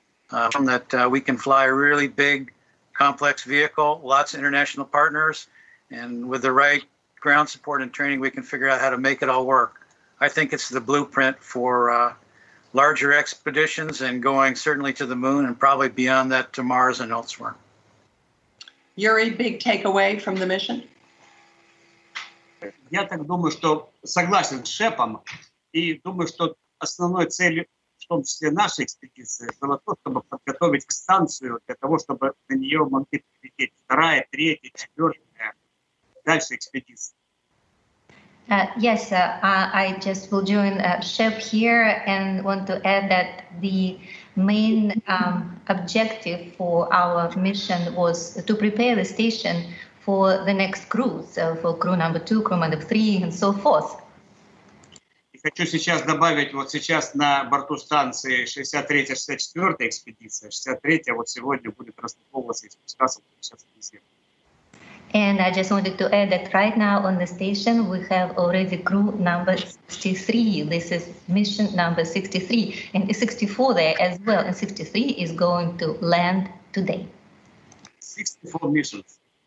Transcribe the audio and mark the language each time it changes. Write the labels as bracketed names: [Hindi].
[English] We can fly a really big, complex vehicle, lots of international partners, and with the right ground support and training, we can figure out how to make it all work. I think it's the blueprint for larger expeditions and going certainly to the moon and probably beyond that to Mars and elsewhere. Yuri, big takeaway from the mission? [Russian] Я так думаю, что согласен с Шепом, и думаю, что основной целью, в том числе нашей экспедиции, было то, чтобы подготовить к станцию для того, чтобы на нее могли прилететь вторая, третья, четвертая, дальше экспедиция. [English] I just will join Shep here and want to add that the main objective for our mission was to prepare the station for the next crew, so for crew number two, crew number three, and so forth. [Russian] И хочу сейчас добавить, вот сейчас на борту станции 63-64 экспедиция, 63-я вот сегодня будет распаковываться и спускаться сейчас на землю. [English] And I just wanted to add that right now on the station, we have already crew number 63. This is mission number 63, and 64 there as well. And 63 is going to land today. 64 missions.